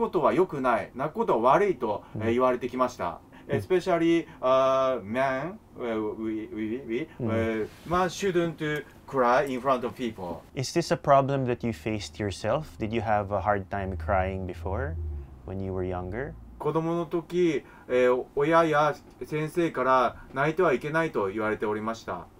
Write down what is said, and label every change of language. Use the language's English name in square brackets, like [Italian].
[Japanese] Japanese人は泣くのは難しいと思います。なぜなら、日本の社会では泣くことは良くない、泣くことは悪いと言われてきました。 [English] Especially men, shouldn't cry in front of people. Is this a problem that you faced yourself? Did you have a hard time crying before when you were younger? [Japanese] 子供の時、親や先生から泣いてはいけないと言われておりました。